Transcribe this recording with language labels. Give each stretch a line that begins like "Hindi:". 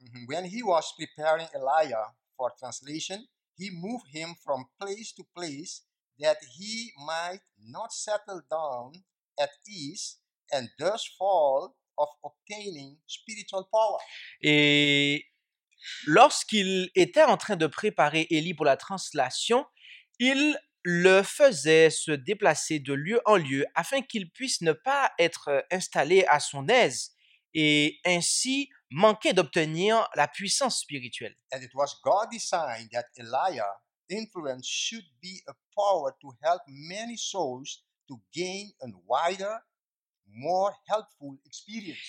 English: When he was preparing Elijah for translation, he moved him from place to place that he might not settle down at ease and thus fall of obtaining spiritual power.
French: Et lorsqu'il était en train de préparer Élie pour la translation, il le faisait se déplacer de lieu en lieu afin qu'il puisse ne pas être installé à son aise et ainsi manquer d'obtenir la puissance spirituelle.
English: And it was God's design that Elijah influence should be a power to help many souls to gain a wider, more helpful experience.